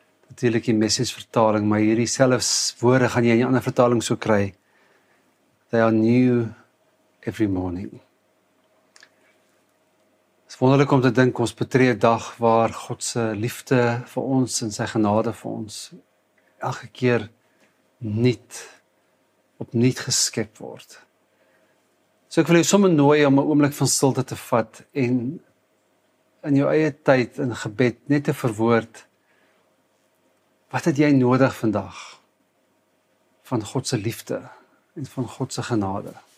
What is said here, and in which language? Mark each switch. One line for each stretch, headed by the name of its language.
Afrikaans: Natuurlik die message vertaling, maar hierdie selfs woorde gaan jy in 'n ander vertaling so kry.
English: They are new every morning.
Afrikaans: Dit is wonderlik om te dink ons betree 'n dag waar God se liefde vir ons en sy genade vir ons elke keer opnuut geskep word. So ek wil jou sommer nooi om 'n oomblik van stilte te vat en in jou eie tyd in gebed net te verwoord, wat het jy nodig vandag van God se liefde en van God se genade?